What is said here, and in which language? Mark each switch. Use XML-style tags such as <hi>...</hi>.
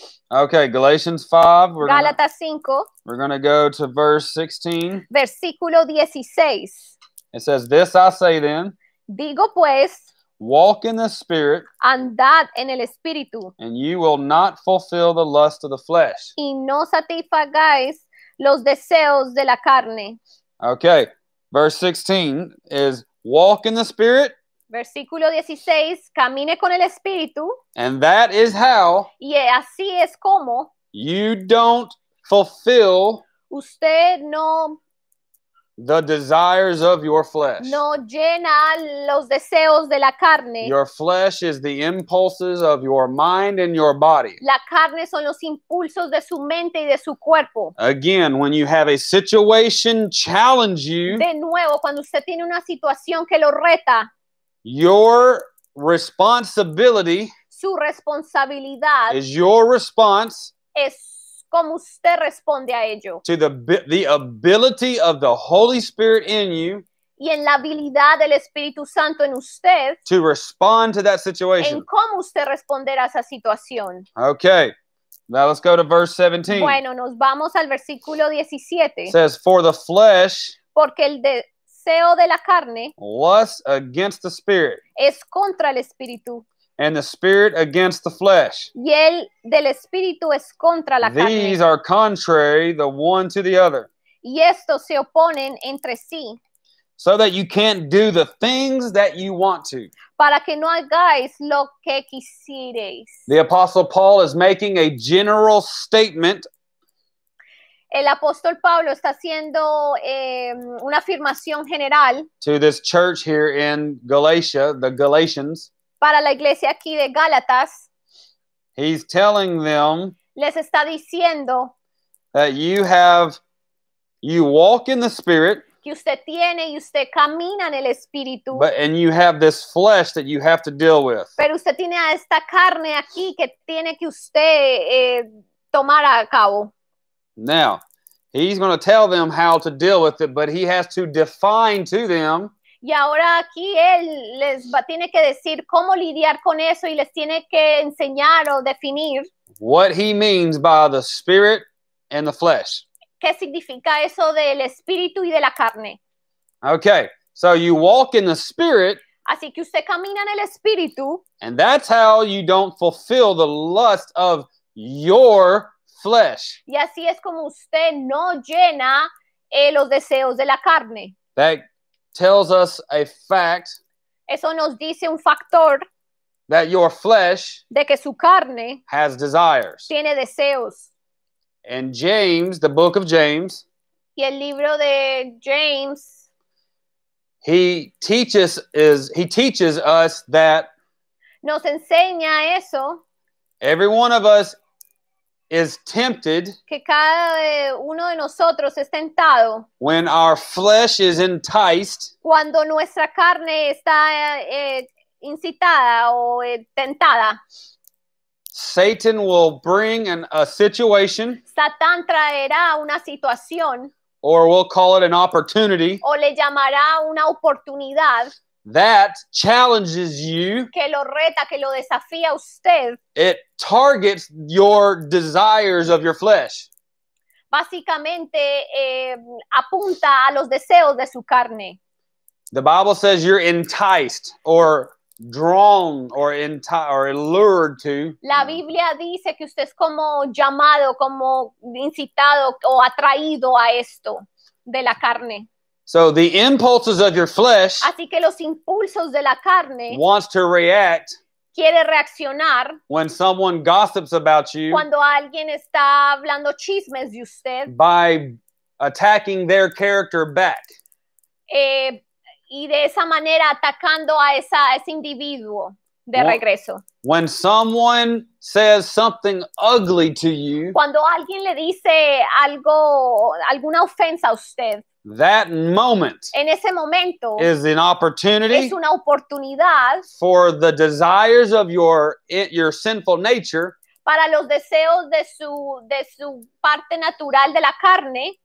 <en>Okay, Galatians 5. We're</en> <es>Gálatas 5.</es> <en>We're going to go to verse 16.</en> <es>Versículo 16.</es> <en>It says, this I say then.</en> <es>Digo pues.</es> <en>Walk in the Spirit.</en> <es>Andad en el Espíritu.</es> <en>And you will not fulfill the lust of the flesh.</en> <es>Y no satisfagáis los deseos de la carne.</es> <en>Okay. Verse 16 is walk in the Spirit.</en> <es>Versículo 16. Camine con el Espíritu.</es> <en>And that is how.</en> <es>Y así es como.</es> <en>You don't fulfill.</en> <es>Usted no.</es> <en>The desires of your flesh.</en> <es>No llena los deseos de la carne.</es> <en>Your flesh is the impulses of your mind and your body.</en> <es>La carne son los impulsos de su mente y de su cuerpo.</es> <en>Again, when you have a situation challenge you.</en> <es>De nuevo, cuando usted tiene una situación que lo reta.</es> <en>Your responsibility.</en> <es>Su responsabilidad.</es> <en>Is your response.</en> <es>Es cómo usted responde a ello.</es> <en>To the ability of the Holy Spirit in you.</en> <es>Y en la habilidad del Espíritu Santo en usted.</es> <en>To respond to that situation.</en> <es>En cómo usted responder a esa situación.</es> <en>Okay. Now let's go to verse 17.</en> <es>Bueno, nos vamos al versículo 17.</es> <en>It says, for the flesh.</en> <es>Porque el deseo de la carne.</es> <en>Lusts against the Spirit.</en> <es>Es contra el Espíritu.</es> <en>And the Spirit against the flesh.</en> <es>Y el del Espíritu es contra la</es> <en>These</en> <es>carne.</es> <en>Are contrary the one to the other.</en> <es>Y estos se oponen entre sí.</es> <en>So that you can't do the things that you want to.</en> <es>Para que no hagáis lo que quisierais.</es> <en>The Apostle Paul is making a general statement.</en> <es>El apóstol Pablo está haciendo una afirmación general.</es> <en>To this church here in Galatia, the Galatians.</en> <es>Para la iglesia aquí de Gálatas.</es> <en>He's telling them.</en> <es>Les está diciendo.</es> <en>That you walk in the Spirit.</en> <es>Que usted tiene y usted camina en el Espíritu.</es> <en>And you have this flesh that you have to deal with.</en> <es>Pero usted tiene a esta carne aquí que tiene que usted tomar a cabo.</es> <en>Now, he's going to tell them how to deal with it, but he has to define to them.</en> <es>Y ahora aquí él les va, tiene que decir cómo lidiar con eso y les tiene que enseñar o definir.</es> <en>What he means by the spirit and the flesh.</en> <es>¿Qué significa eso del espíritu y de la carne?</es> <en>Okay, so you walk in the spirit.</en> <es>Así que usted camina en el espíritu.</es> <en>And that's how you don't fulfill the lust of your flesh.</en> <es>Y así es como usted no llena los deseos de la carne.</es> <en>That tells us a fact.</en> <es>Eso nos dice un factor.</es> <en>That your flesh.</en> <es>De que su carne.</es> <en>Has desires.</en> <es>Tiene deseos.</es> <en>And James, the book of James.</en> <es>Y el libro de James.</es> <en>He teaches us that.</en> <es>Nos enseña eso.</es> <en>Every one of us is tempted.</en> <es>Que cada uno de nosotros es tentado.</es> <en>When our flesh is enticed.</en> <es>Cuando nuestra carne está incitada o tentada.</es> <en>Satan will bring a situation.</en> <es>Satán traerá una situación.</es> <en>Or we'll call it an opportunity.</en> <es>O le llamará una oportunidad.</es> <en>That challenges you.</en> <es>Que lo reta, que lo desafía usted.</es> <en>It targets your desires of your flesh.</en> <es>Básicamente, apunta a los deseos de su carne.</es> <en>The Bible says you're enticed or drawn or lured to.</en> <es>La Biblia dice que usted es como llamado, como incitado o atraído a esto de la carne.</es> <en>So the impulses of your flesh.</en> <es>Así que los impulsos de la carne.</es> <en>Wants to react.</en> <es>Quiere reaccionar.</es> <en>When someone gossips about you.</en> <es>Cuando alguien está hablando chismes de usted.</es> <en>By attacking their character back.</en> <es>Y de esa manera atacando a ese individuo de regreso.</es> <en>When someone says something ugly to you.</en> <es>Cuando alguien le dice algo, alguna ofensa a usted.</es> <en>That moment</en> <es>en ese momento,</es> <en>is an opportunity</en> <es>es una oportunidad</es> <en>for the desires of your sinful nature</en> <es>para los deseos de su parte natural de la carne</es>